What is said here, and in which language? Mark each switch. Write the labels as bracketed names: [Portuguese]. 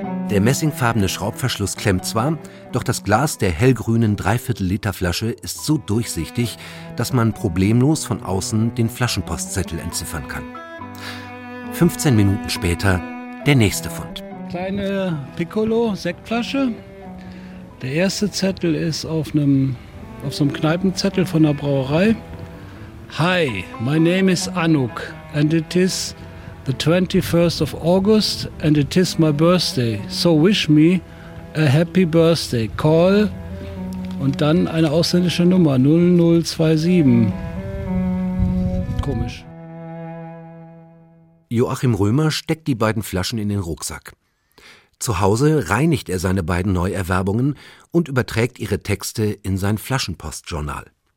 [German] Der messingfarbene Schraubverschluss klemmt zwar, doch das Glas der hellgrünen 3/4-Liter-Flasche ist so durchsichtig, dass man problemlos von außen den Flaschenpostzettel entziffern kann. 15 Minuten später der nächste Fund. Kleine Piccolo-Sektflasche. Der erste Zettel ist auf so einem Kneipenzettel von der Brauerei. [English] Hi, my name is Anouk and it is the 21st of August and it is my birthday. So wish me a happy birthday. [German] Call und dann eine ausländische Nummer 0027. Komisch. Joachim Römer steckt die beiden Flaschen in den Rucksack. Zu Hause reinigt er seine beiden Neuerwerbungen und überträgt ihre Texte in sein Flaschenpostjournal.